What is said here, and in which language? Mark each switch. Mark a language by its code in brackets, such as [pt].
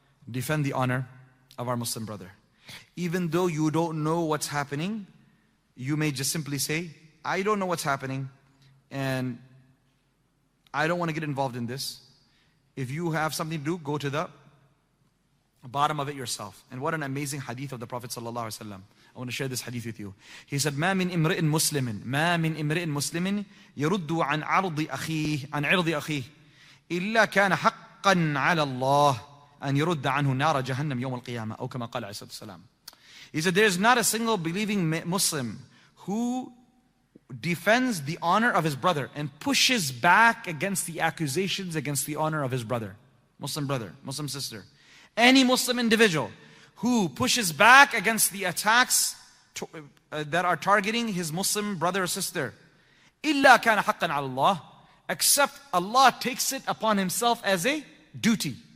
[en] Defend the honor of our Muslim brother. Even though you don't know what's happening, you may just simply say, I don't know what's happening and I don't want to get involved in this. If you have something to do, go to the bottom of it yourself. And what an amazing hadith of the Prophet sallallahu alaihi wasallam. I want to share this hadith with you. He said, [ar] ما من امرئ مسلم يرد عن عرض أخيه عن عرض أخيه إلا كان حقا على الله أن يرد عنه نار جهنم يوم القيامة أو كما قال عليه الصلاة والسلام. [en] He said, there is not a single believing Muslim who defends the honor of his brother and pushes back against the accusations against the honor of his brother, Muslim sister. Any Muslim individual who pushes back against the attacks that are targeting his Muslim brother or sister, [ar] illa kana haqqan ala Allah, [en] except Allah takes it upon himself as a duty.